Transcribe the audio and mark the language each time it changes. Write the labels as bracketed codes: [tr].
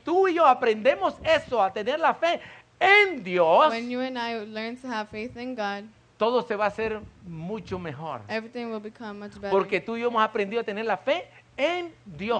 [es] Tú y yo aprendemos eso, a tener la fe en Dios. [en] When you and I learn to have faith in God. [es] Todo se va a hacer mucho mejor. [en] Everything will become much better. [es] Porque tú y yo hemos aprendido a tener la fe en Dios.